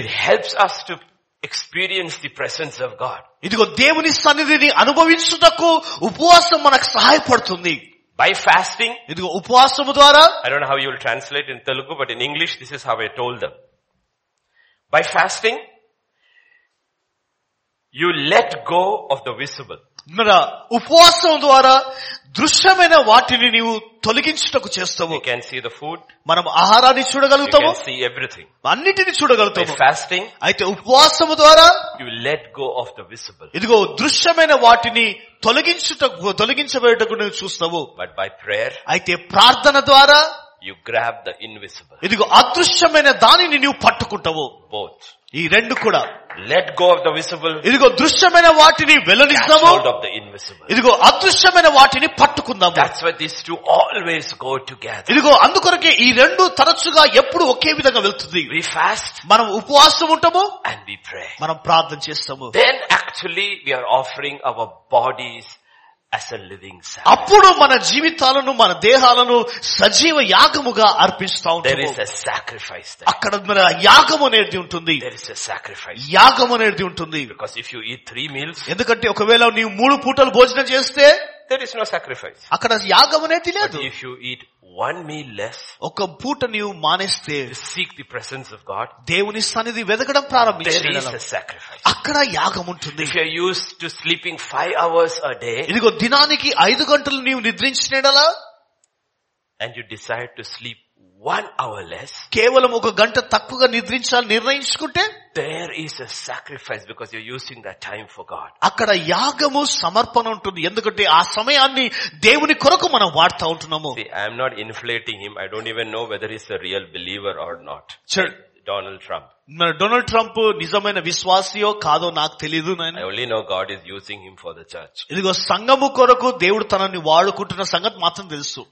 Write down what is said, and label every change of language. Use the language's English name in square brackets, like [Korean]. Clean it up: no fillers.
[English] It helps us to experience the presence of God. [Telugu] ఇదిగో దేవుని సన్నిధిని అనుభవించుటకు ఉపవాసం మనకు సహాయపడుతుంది. [English] By fasting, [Telugu] ఇదిగో ఉపవాసము ద్వారా, [English] I don't know how you will translate in Telugu, but in English this is how I told them. By fasting, you let go of the visible. [Telugu] మరి ఉపవాసం ద్వారా దృశ్యమైన వాటిని నీవు తొలగించుటకు చేస్తావు. [English] You can see the food. [Telugu] మనం ఆహారాన్ని చూడగలుగుతాము. [English] You can see everything. [Telugu] అన్నిటిని చూడగలుగుతాము. [English] Fasting. [Telugu] అయితే ఉపవాసము ద్వారా, [English] you let go of the visible. [Telugu] ఇదిగో దృశ్యమైన వాటిని తొలగించబడటకు నువ్వు చూస్తావు. [English] But by prayer. [Telugu] అయితే ప్రార్థన ద్వారా, [English] you grab the invisible. [Telugu] ఇదిగో అదృశ్యమైన దానిని నువ్వు పట్టుకుంటావు. [English] Both. [Telugu] ఈ రెండు కూడా. [English] Let go of the visible. [Telugu] ఇదిగో దృశ్యమైన వాటిని వెల్లడిస్తాము. [English] Let go of the invisible. [Telugu] ఇదిగో అదృశ్యమైన వాటిని పట్టుకుందాము. [English] That's why these two always go together. [Telugu] ఇదిగో అందుకొరకే ఈ రెండు తరచుగా ఎప్పుడు ఒకే విధంగా వెళ్తుంది. [English] We fast. [Telugu] మనం ఉపవాసం ఉంటాము. [English] And we pray. [Telugu] మనం ప్రార్థన చేస్తాము. [English] Then actually we are offering our bodies as a living sacrifice. [Telugu] అప్పుడు మన జీవితాలను మన దేహాలను సజీవ యాగముగా అర్పిస్తాము. [English] There is a sacrifice there. [Telugu] అక్కడ మన యాగం అనేది ఉంటుంది. [English] There is a sacrifice. [Telugu] యాగం అనేది ఉంటుంది. [English] Because if you eat three meals. [Telugu] ఎందుకంటే ఒకవేళ నీవు మూడు పూటలు భోజనం చేస్తే, [English] there is no sacrifice. [Telugu] అక్కడ యాగం అనేది లేదు. [English] If you eat one meal less, [Telugu] ఒక పూట నీవు మానేస్తే, [English] seek the presence of God, [Telugu] దేవుని సన్నిధి వెదకడం ప్రారంభించాలి. [English] There is a sacrifice. [Telugu] అక్కడ యాగం ఉంటుంది. [English] If you are used to sleeping 5 hours a day, [Telugu] ఇదిగో దినానికి 5 గంటలు నీవు నిద్రించినడల, [English] and you decide to sleep 1 hour less, [Telugu] కేవలం ఒక గంట తక్కువగా నిద్రించాలని నిర్ణయించుకుంటే, [English] there is a sacrifice because you're using that time for God. [Telugu] అక్కడ యాగము సమర్పణ ఉంటుంది. ఎందుకంటే ఆ సమయాన్ని దేవుని కొరకు మనం వాడతా ఉంటున్నాము. [English] I am not inflating him. I don't even know whether he's a real believer or not. Donald Trump. [Telugu] Donald Trump నిజమైన విశ్వాసియో కాదో నాకు తెలియదు. [English] I only know God is using him for the church. [Telugu] ఇదిగో సంఘము కొరకు దేవుడు తనని వాడుకుంటున్న సంగతి మాత్రం తెలుసు.